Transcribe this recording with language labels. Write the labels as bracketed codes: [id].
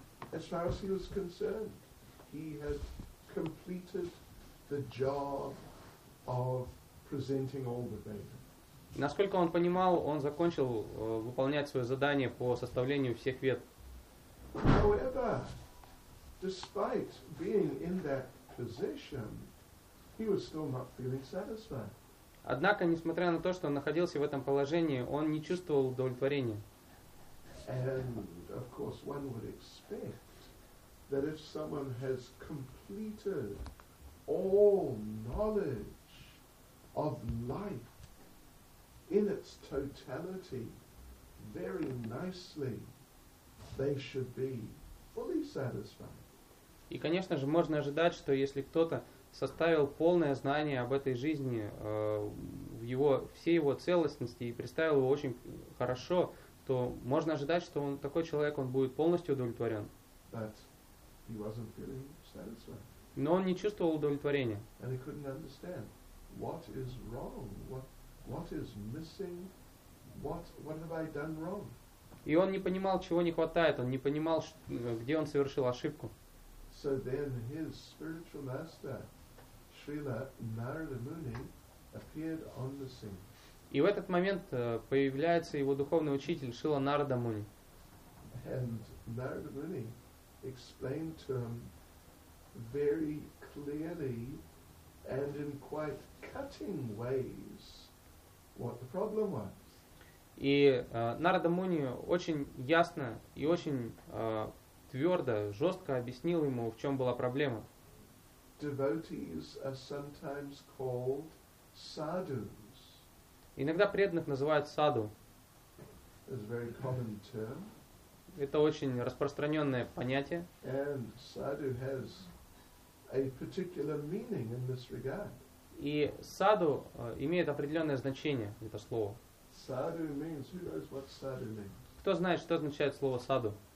[en] As far as he was concerned, he had completed the job of presenting all the Vedas. [ru] Насколько он понимал, он закончил выполнять свое задание по составлению всех вед. [en] However, despite being in that position, he was still not feeling satisfied. [ru] Однако, несмотря на то, что он находился в этом положении, он не чувствовал удовлетворения. [en] And of course, one would expect that if someone has completed all knowledge of life in its totality very nicely, they should be fully satisfied. [ru] И, конечно же, можно ожидать, что если кто-то составил полное знание об этой жизни, в его, всей его целостности и представил его очень хорошо, то можно ожидать, что он, такой человек, он будет полностью удовлетворен. [en] But he wasn't feeling satisfied. [ru] Но он не чувствовал удовлетворения. [en] And he couldn't understand what is wrong, what is missing, what have I done wrong? [ru] И он не понимал, чего не хватает, он не понимал, где он совершил ошибку. [en] So then his spiritual master, Srila Narada Muni, appeared on the scene. [ru] И в этот момент появляется его духовный учитель Шрила Нарада Муни. [en] And Narada Muni explained to him very clearly and in quite cutting ways what the problem was. [ru] И Нарада Муни очень ясно и очень твердо, жестко объяснил ему, в чем была проблема. [en] Devotees are sometimes called sadhus. [ru] Иногда преданных называют саду. [en] It's a very common term. [ru] Это очень распространенное понятие. [en] And sadhu has a particular meaning in this regard. [ru] И саду имеет определенное значение, это слово. [en] Sadhu means, who knows what sadhu means? [ru] Кто знает, что означает слово саду?